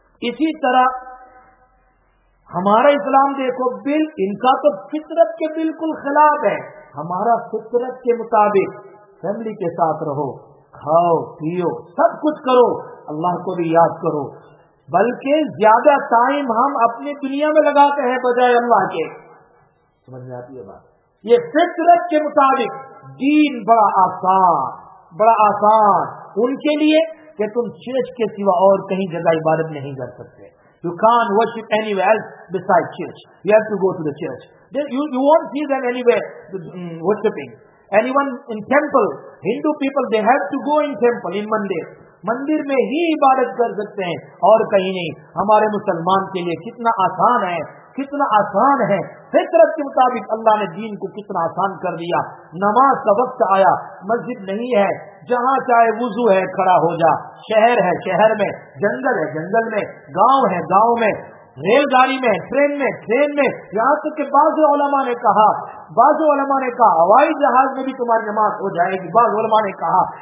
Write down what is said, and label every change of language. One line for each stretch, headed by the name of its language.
Urdu: اسی طرح ہمارا اسلام دیکھو بل ان کا تو فطرت کے بالکل خلاف ہے، ہمارا فطرت کے مطابق فیملی کے ساتھ رہو، کھاؤ پیو سب کچھ کرو، اللہ کو بھی یاد کرو، بلکہ زیادہ ٹائم ہم اپنی دنیا میں لگاتے ہیں بجائے اللہ کے. سمجھ میں آتی ہے بات؟ یہ فطرت کے مطابق دین بڑا آسان، بڑا آسان ان کے لیے کہ تم چرچ کے سوا اور کہیں جگہ عبادت نہیں کر سکتے.
English: You can't worship anywhere else beside church, you have to go to the church, you won't see them anywhere worshipping anyone in temple. Hindu people they have to go in temple, in mandir,
Urdu: مندر میں ہی عبادت کر سکتے ہیں اور کہیں نہیں. ہمارے مسلمان کے لیے کتنا آسان ہے، کتنا آسان ہے، فطرت کے مطابق اللہ نے دین کو کتنا آسان کر دیا. نماز کا وقت آیا، مسجد نہیں ہے، جہاں چاہے وضو ہے کھڑا ہو جا، شہر ہے شہر میں، جنگل ہے جنگل میں، گاؤں ہے گاؤں میں، ریل گاڑی میں، ٹرین میں ٹرین میں، یہاں تک کہ بعض علماء نے کہا، بعض علماء نے کہا ہوائی جہاز میں بھی تمہاری نماز ہو جائے گی، بعض علماء نے کہا.